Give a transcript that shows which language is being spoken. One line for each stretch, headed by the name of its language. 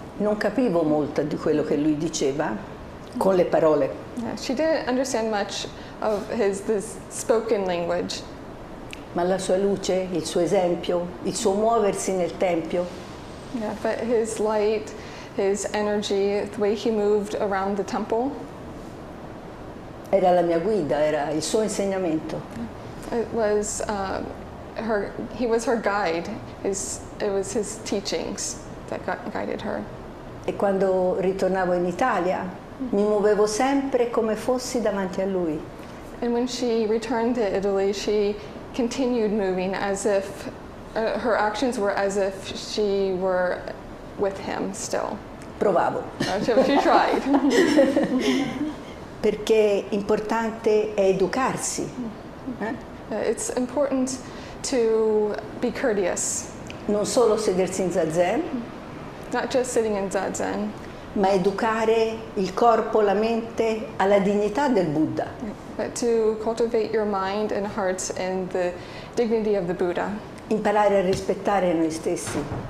Italian: Non capivo molto di quello che lui diceva con le parole.
English: Yeah, she didn't understand much of his this spoken language.
Italian: Ma la sua luce, il suo esempio, il suo muoversi nel tempio.
English: Yeah, but his light, his energy, the way he moved around the temple.
Italian: Era la mia guida, era il suo insegnamento.
English: It was her, he was her guide, his, it was his teachings that guided her.
Italian: E quando ritornavo in Italia, mi muovevo sempre come fossi davanti a lui.
English: And when she returned to Italy, she continued moving as if her actions were as if she were with him still.
Italian: Provavo.
English: She tried.
Italian: Perché importante è educarsi.
English: It's important to be courteous.
Italian: Non solo sedersi in zazen.
English: Not just sitting in zazen.
Italian: Ma educare il corpo, la mente alla dignità del Buddha.
English: But to cultivate your mind and heart in the dignity of the Buddha.
Italian: Imparare a rispettare noi stessi.